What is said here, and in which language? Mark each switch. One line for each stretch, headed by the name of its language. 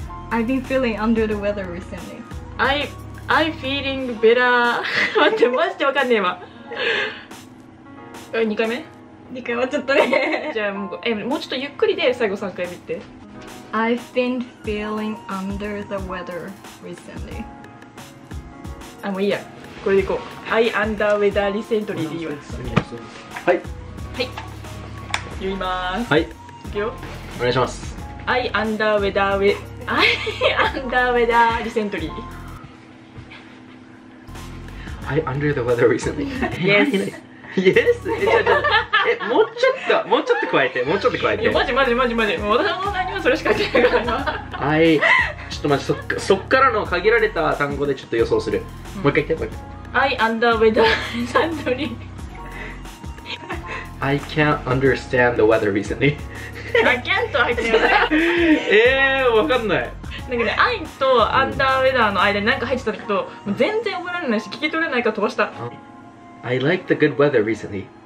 English: I've been feeling under the weather recently。 I'm feeling better。
Japanese: 待って、マジでわかんねえわ。 2回目？2 回はちょっとね。じゃあもう、もうちょっとゆっくりで最後3回見て。
English: I've been feeling under the weather recently。
Japanese: あ、もういいや、これでいこう。
English: I under weather recently
Japanese: でいいわ。はいはい、読みます。はい、いくよ。お願いします。
English: I under weather I under weather recently I under the weather recently. Yes. Yes.
Japanese: もうちょっと、もうちょっと加えて、もうちょっと加えて。いや、マジマジマジマジ。もう何もそれしか言ってないから。ちょっと待って、そっからの限られた単語でちょっと予想する。もう一回言って、もう一回。
English: I under weather recently. I can't understand the weather recently. I can't understand.
Japanese: わかんない。なんかね、アインとアンダーウェダーの間に何か入ってたんだけど、もう全然覚えられないし、聞き取れないから飛ばした。
English: I like the good weather recently.